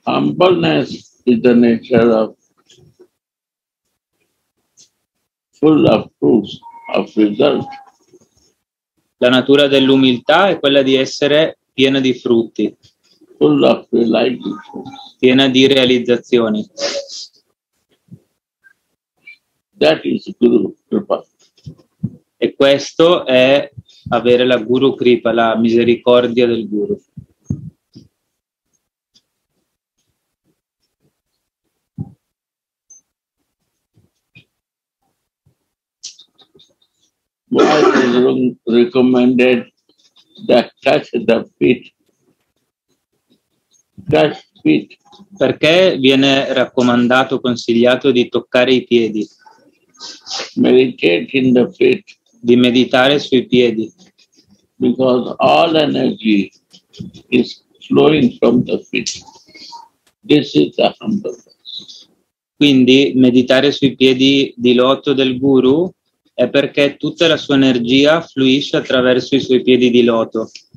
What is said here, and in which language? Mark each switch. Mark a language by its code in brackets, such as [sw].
[en] Humbleness is the nature of full of fruits, of results. [it] La natura dell'umiltà è quella di essere piena di frutti, [en] full of realization, [it] piena di realizzazioni. [en] That is Guru Kripa. [it] E questo è avere la Guru Kripa, la misericordia del Guru. [en] Why is recommended that touch the feet? Touch feet. [it] Perché viene raccomandato, consigliato di toccare i piedi? [en] Meditate in the feet. [it] Di meditare sui piedi. [en] Because all energy is flowing from the feet. This is the humbleness. [it] Quindi meditare sui piedi di loto del Guru è perché tutta la sua energia fluisce attraverso i suoi piedi di loto.